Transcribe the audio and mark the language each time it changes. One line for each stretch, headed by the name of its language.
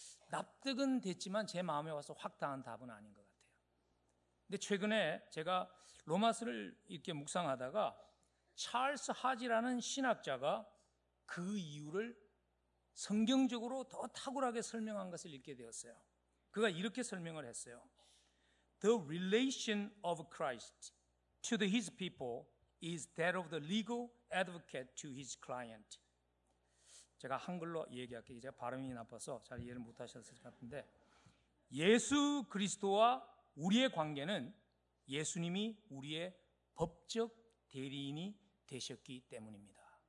Korean: 납득은 됐지만 제 마음에 와서 확 닿은 답은 아닌 것 같아요. 근데 최근에 제가 로마서를 이렇게 묵상하다가 찰스 하지라는 신학자가 그 이유를 성경적으로 더 탁월하게 설명한 것을 읽게 되었어요. 그가 이렇게 설명을 했어요.
English: The relation of Christ to his people is that of the legal advocate to his client.
Korean: 제가 한글로 얘기할게요. 제가 발음이 나빠서 잘 이해를 못하셨을 것 같은데 예수 그리스도와 우리의 관계는 예수님이 우리의 법적 대리인이 되셨기 때문입니다.